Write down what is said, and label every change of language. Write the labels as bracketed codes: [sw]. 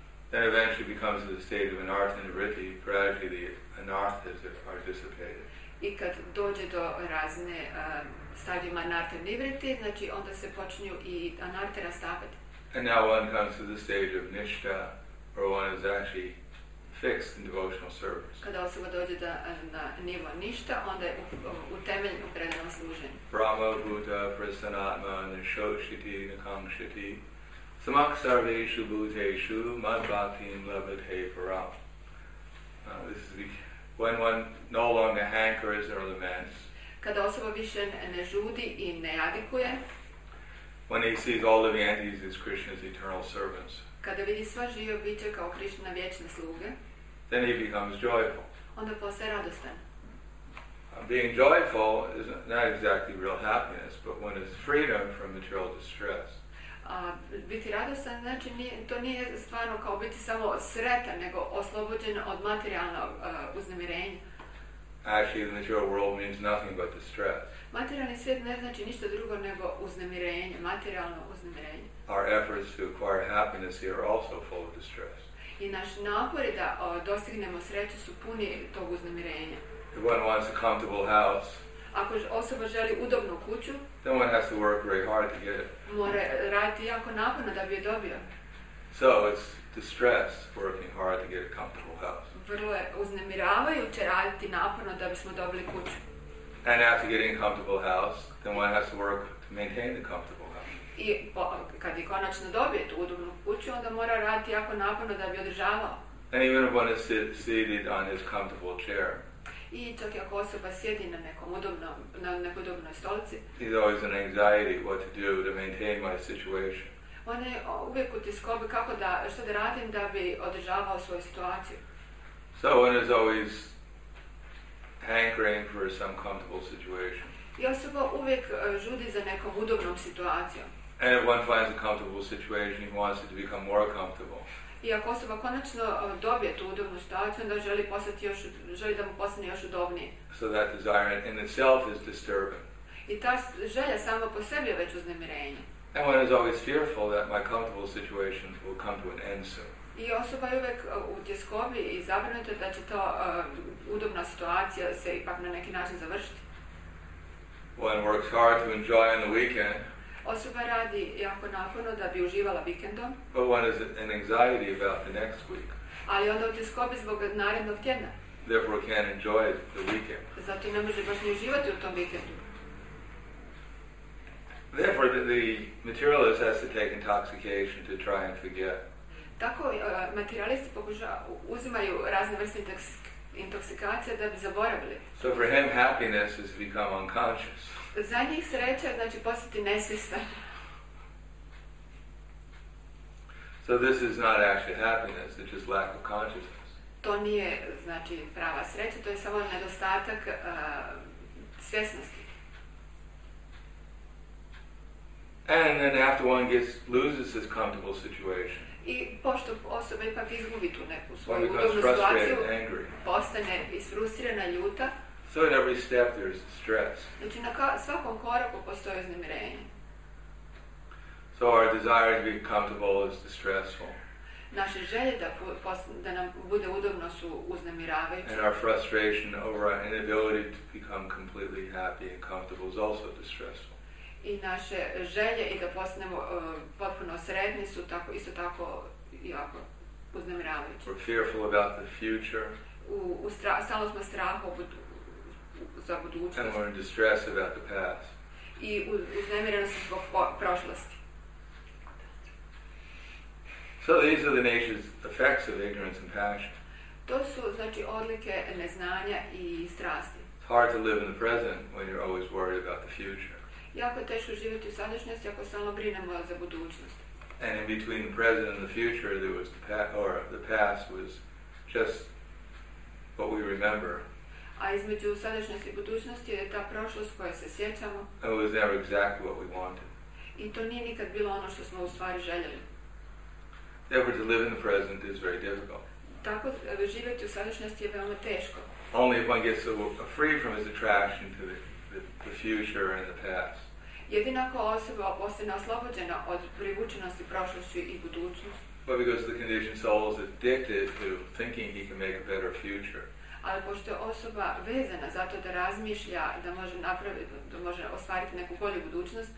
[en] Then eventually becomes in the state of anartha and vritti, gradually the anarthas are dissipated. [hr] I kad dođe do razne stadijuma anartha i vritti, znači onda se počinju i anarthe rastapati. [en] And now one comes to the stage of nishta, where one is actually fixed in devotional service. [hr] Kada osoba dođe da, na nivo ništa, onda je u temeljnom predanom služenju. [sa] Brahma, Buddha, Prasanatma, Nishoshiti, Nakamshiti, Samaksarveshu, Bhuteshu, Madhvatim, Labhate, Param. [en] This is the, when one no longer hankers or laments. [hr] Kada osoba više ne žudi i ne jadikuje. [en] When he sees all the deities as Krishna's eternal servants. [hr] Kada vidi sva živa bića kao Krišna vječne sluge, [en] then he becomes joyful. [hr] Onda postaje radostan. [en] Being joyful is not exactly real happiness, but one is freedom from material distress. [hr] Biti radostan, znači, to nije stvarno kao biti samo sretan, nego oslobođen od materijalnog uznemirenja. [en] Actually, the material world means nothing but distress. [hr] Materijalni svijet ne znači ništa drugo nego uznemirenje, materijalno uznemirenje. [en] Our efforts to acquire happiness here are also full of distress. [hr] I naši napori da dostignemo sreću su puni tog uznemirenja. [en] If one wants a comfortable house, [hr] ako osoba želi udobnu kuću, [en] then one has to work very hard to get it. [hr] Mora raditi jako naporno da bi je dobio. [en] So it's distress working hard to get a comfortable house. [hr] Vrlo je uznemiravajuće raditi naporno da bismo dobili kuću. [en] And after getting a comfortable house, then one has to work to maintain the comfortable house. [hr] I kad je konačno dobije tu udobnu kuću, onda mora raditi jako naporno da bi održavao. [en] And even if one is seated on his comfortable chair. [hr] I čak i ako osoba sjedi na nekom udobnom, na nekoj udobnoj stolici. [en] He's always in anxiety what to do to maintain my situation. [hr] On je uvijek u tiskobi kako da, što da radim da bi održavao svoju situaciju. [en] So one is always hankering for some comfortable situation. [hr] I osoba uvijek žudi za nekom udobnom situacijom. [en] And if one finds a comfortable situation, he wants it to become more comfortable. [hr] I ako osoba konačno dobije tu udobnu situaciju, onda želi da mu postane još udobnije. [en] So that desire in itself is disturbing. [hr] I ta želja sama po sebi je već uznemirenje. [en] And one is always fearful that my comfortable situations will come to an end soon. [hr] I osoba je uvek u tjeskobi i zabrinuta da će to udobna situacija se ipak na neki način završiti. [en] One works hard to enjoy on the weekend. [hr] Osoba radi jako naporno da bi uživala vikendom. [en] But one is in anxiety about the next week. [hr] Ali onda u tjeskobi zbog narednog tjedna. [en] Therefore can't enjoy the weekend. [hr] Zato ne može baš ni uživati u tom vikendu. [en] Therefore the materialist has to take intoxication to try and forget. [hr] Tako materialisti uzimaju razne vrste intoksikacije da bi zaboravili. [en] So for him happiness is to become unconscious. [hr] Za njih sreća znači postati nesvjestan. [en] So this is not actually happiness, it's just lack of consciousness. [hr] To nije znači prava sreća, to je samo nedostatak svjesnosti. [en] And then after one gets loses his comfortable situation. [hr] I pošto osoba ipak izgubi tu neku svoju udobnu situaciju, postane isfrustrirana, ljuta. [en] So at every step there's stress. [hr] Znači na svakom koraku postoji uznemirenje. [en] So our desire to be comfortable is distressful. [hr] Naše želje da da nam bude udobno su uznemiravajuće. [en] And our frustration over our inability to become completely happy and comfortable is also distressful. [hr] I naše želje i da postanemo potpuno sretni su tako isto tako jako uznemiravajući. [en] We're fearful about the future. [hr] Stalno smo strahu za budućnost. [en] And we're in distress about the past. [hr] I uznemireni smo zbog prošlosti. [en] So these are the nature's effects of ignorance and passion. [hr] To su znači odlike neznanja i strasti. [en] It's hard to live in the present when you're always worried about the future. [hr] Jako je teško živjeti u sadašnjosti ako stalno brinemo za budućnost. [en] And in between the present and the future there was the past, or the past was just what we remember. [hr] A između sadašnjosti i budućnosti je ta prošlost koja se sjećamo. [en] And it was never exactly what we wanted. [hr] I to nije nikad bilo ono što smo u stvari željeli. [en] Therefore to live in the present is very difficult. [hr] Tako živjeti u sadašnjosti je veoma teško. [en] Only if one gets free from his attraction to the future and the past. [hr] Jedino ako osoba ostane oslobođena od privučenosti prošlosti i budućnosti. [en] But because the conditioned soul is addicted to thinking he can make a better future. [hr] Ali pošto je osoba vezana zato da razmišlja da može napraviti, da može ostvariti neku bolju budućnost.